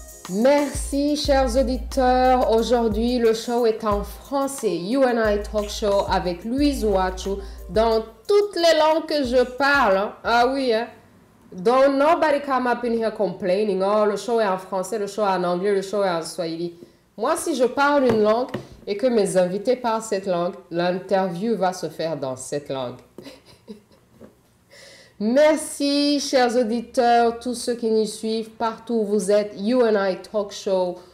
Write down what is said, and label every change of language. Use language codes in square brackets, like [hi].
[fr] Merci, chers auditeurs. Aujourd'hui, le show est en français. You and I Talk Show avec Louise Ouattu dans toutes les langues que je parle. Hein? Ah oui, hein? [en] Don't nobody come up in here complaining. [fr] Oh, le show est en français, le show est en anglais, le show est en swahili. Moi, si je parle une langue et que mes invités parlent cette langue, l'interview va se faire dans cette langue. Merci, chers auditeurs, tous ceux qui nous suivent, partout où vous êtes, You and I Talk Show.